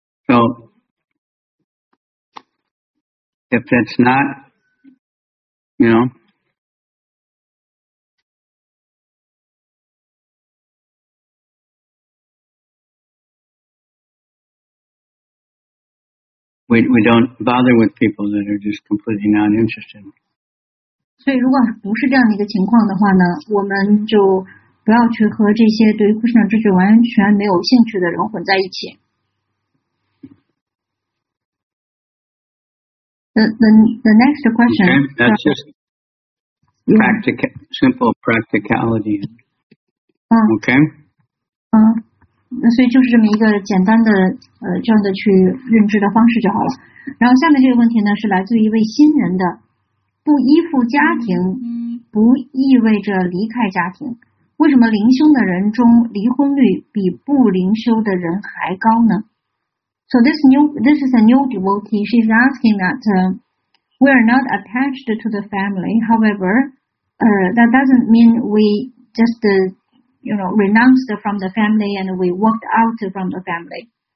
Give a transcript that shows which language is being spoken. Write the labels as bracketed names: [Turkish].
[English] So, if that's not, you know, we don't bother with people that are just completely not interested. [Chinese] 所以如果不是这样的一个情况的话呢，我们就不要去和这些对于 Krishna 知觉完全没有兴趣的人混在一起。 [English] The next question. Okay, that's just practical, simple practicality. Okay. [Chinese] 那所以就是这么一个简单的这样的去认知的方式就好了。然后下面这个问题呢是来自于一位新人的。不依附家庭不意味着离开家庭，为什么灵修的人中离婚率比不灵修的人还高呢？ [English] So this is a new devotee. She is asking that we are not attached to the family. However, that doesn't mean we just renounced from the family and we walked out from the family.